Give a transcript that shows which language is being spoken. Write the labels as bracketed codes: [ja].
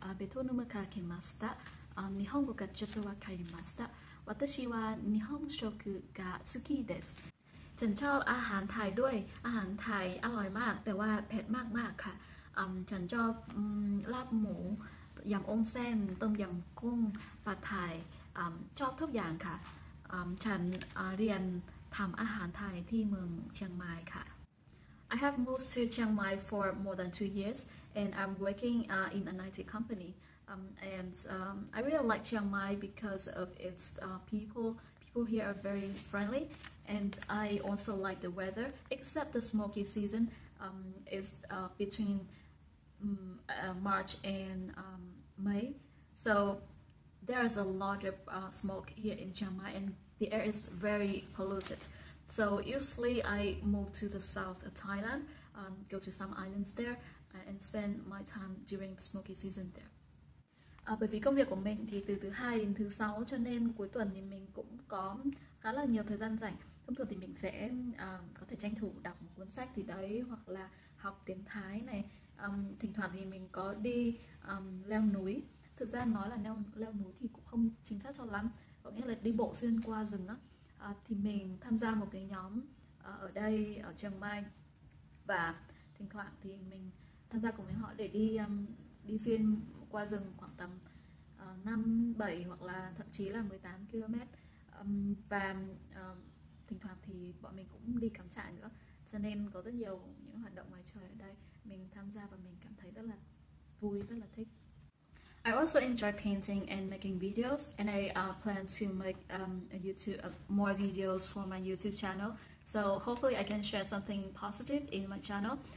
[ja] ベトナムから来ました。日本語がちょっとわかりました。私は日本食が好きです。 [th] ฉันชอบอาหารไทยด้วยอาหารไทยอร่อยมากแต่ว่าเผ็ดมากมากค่ะฉันชอบลาบหมูยำองเซนต้มยำกุ้งปลาไทยชอบทุกอย่างค่ะ ฉันเรียนทำอาหารไทยที่เมืองเชียงใหม่ค่ะ [en] I have moved to Chiang Mai for more than 2 years and I'm working in an IT company I really like Chiang Mai because of its people here are very friendly and I also like the weather except the smoky season is between March and May. So there is a lot of smoke here in Chiang Mai and the air is very polluted. So usually I move to the south of Thailand, go to some islands there and spend my time during the smoky season there. [vi] Bởi vì công việc của mình thì từ thứ hai đến thứ sáu cho nên cuối tuần thì mình cũng có khá là nhiều thời gian rảnh. Thông thường thì mình sẽ có thể tranh thủ đọc một cuốn sách gì đấy hoặc là học tiếng Thái này. Thỉnh thoảng thì mình có đi leo núi. Thực ra nói là leo núi thì cũng không chính xác cho lắm, có nghĩa là đi bộ xuyên qua rừng đó. Thì mình tham gia một cái nhóm ở đây ở Chiang Mai và thỉnh thoảng thì mình tham gia cùng với họ để đi đi xuyên qua rừng khoảng tầm 5, 7 hoặc là thậm chí là 18 km. Và thỉnh thoảng thì bọn mình cũng đi cắm trại nữa, cho nên có rất nhiều những hoạt động ngoài trời ở đây mình tham gia và mình cảm thấy rất là vui, rất là thích. [en] I also enjoy painting and making videos and I plan to make more videos for my YouTube channel. So hopefully I can share something positive in my channel.